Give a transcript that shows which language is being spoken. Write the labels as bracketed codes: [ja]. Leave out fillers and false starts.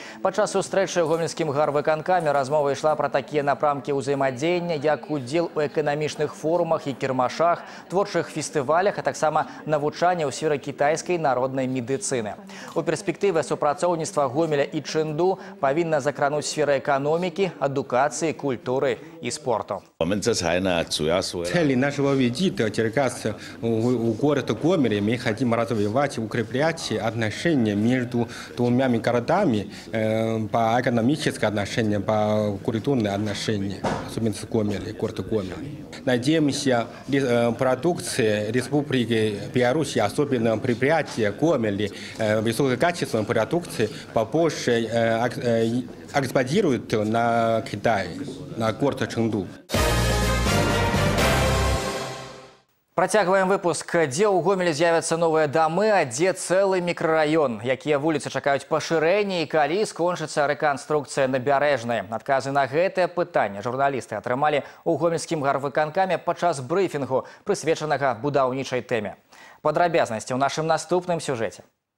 [be] Падчас сустрэчы ў гомельскім гарвыканкаме размова ішла пра такія напрамкі ўзаемадзеяння, як удзел у эканамічных форумах і кірмашах, творчых фестывалях, а таксама навучання ў сферы кітайскай народнай медыцыны. У перспектывы супрацоўніцтва Гомеля і Чынду павінна закрануць сферы эканомікі, адукацыі, культуры і спорту. [ru] Цель нашего визита делегации в город Гомель, мы хотим развивать, укреплять отношения между двумя городами по экономическим отношениям, по культурным отношениям, особенно с Гомель, город Гомель. Надеемся, продукция Республики Беларусь, особенно предприятие Гомель, высококачественной продукции, побольше экспортируют на Китай, на город Чынду. [be] Працягваем выпуск. Дзе ў Гомелі з'явяцца новыя дамы, а дзе цэлы мікрараён? Якія вуліцы чакаюць пашырэнні і калі скончыцца рэканструкцыя набярэжнай? Адказы на гэтае пытанне журналісты атрымалі ў гомельскім гарвыканкаме падчас брыфінгу, прысвечанага будаўнічай тэме. Падрабязнасці ў нашым наступным сюжэце.